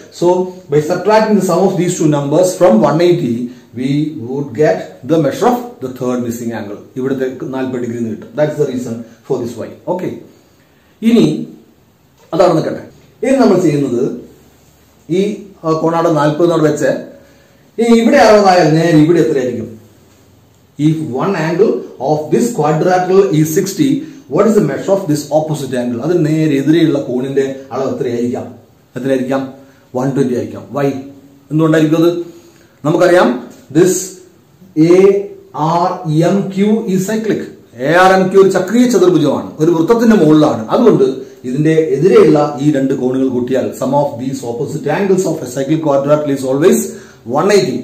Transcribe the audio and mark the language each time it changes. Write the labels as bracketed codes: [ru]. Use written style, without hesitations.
[en] so by subtracting the sum of these two numbers from 180 we would get the measure of the third missing angle, [ml] ഇവിടുത്തെ 40 degree കിട്ടും. [en] That's the reason for this why. [ml] Okay, ഇനി അതാണ് നിൽക്കട്ടെ. ഇനി നമ്മൾ ചെയ്യുന്നത് ഈ കോണാട 40 വെച്ച് ഇനി ഇവിടെ 60 ആയാൽ നേരെ ഇവിടെ എത്രയായിരിക്കും? [en] If one angle of this quadrilateral is 60, what is the measure of this opposite angle? That is near [ml] എതിരെയുള്ള കോണിന്റെ അളവ് എത്രയായിരിക്കാം? എത്രയായിരിക്കാം? 120 ആയിരിക്കാം. വൈ എന്തുകൊണ്ടായിരിക്കും? നമുക്കറിയാം [en] this A R M Q ഈ cyclic, [ml] A R M Q ഒരു ചക്രീയ ചതുർഭുജമാണ്, ഒരു വൃത്തത്തിന്റെ മുകളിലാണ്. അതുകൊണ്ട് ഇതിന്റെ എതിരെയുള്ള ഈ രണ്ട് കോണുകൾ കൂട്ടിയാൽ [en] Sum of these opposite angles of a cyclic quadrilateral is always 180.